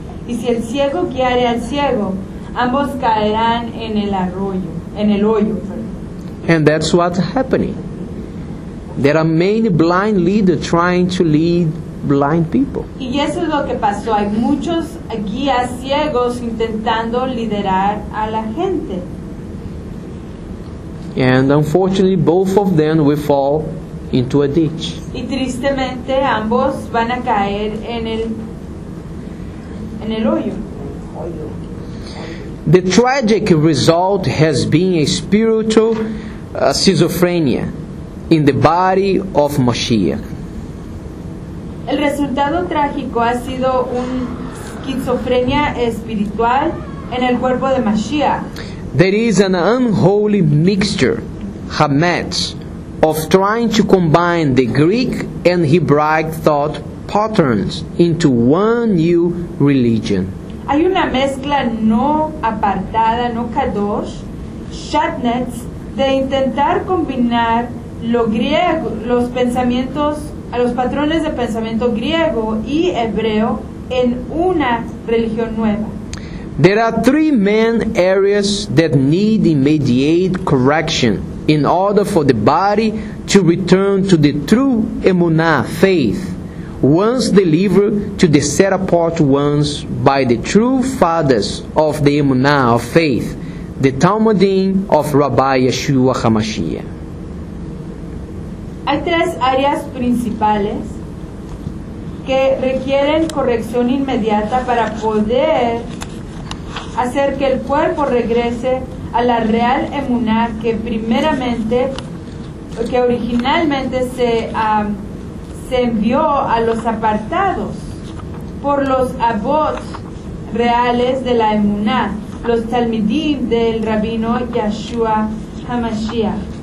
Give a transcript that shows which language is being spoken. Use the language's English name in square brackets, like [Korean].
[Spanish] Y si el ciego guiare al ciego, ambos caerán en el arroyo, en el hoyo. [English] And that's what's happening. There are many blind leaders trying to lead blind people. [Spanish] Y eso es lo que pasó. Hay muchos guías ciegos intentando liderar a la gente. [English] And unfortunately, both of them will fall into a ditch. [Spanish] Y tristemente, ambos van a caer en el hoyo. [English] The tragic result has been a spiritual schizophrenia in the body of Mashiach. [Spanish] El resultado trágico ha sido una esquizofrenia espiritual en el cuerpo de Mashiach. [English] There is an unholy mixture, hametz, of trying to combine the Greek and Hebraic thought patterns into one new religion. [Spanish] Hay una mezcla no apartada, no kadosh, shatnetz, de intentar combinar lo griego, los pensamientos, a los patrones de pensamiento griego y hebreo en una religión nueva. [English] There are three main areas that need immediate correction in order for the body to return to the true emunah, faith, once delivered to the set apart ones by the true fathers of the emunah, of faith, the Talmudim of Rabbi Yeshua HaMashiach. [Spanish] Hay tres áreas principales que requieren corrección inmediata para poder hacer que el cuerpo regrese a la real emuná que primeramente, que originalmente se envió a los apartados por los abots reales de la emuná, los talmidim del rabino Yeshua HaMashiach.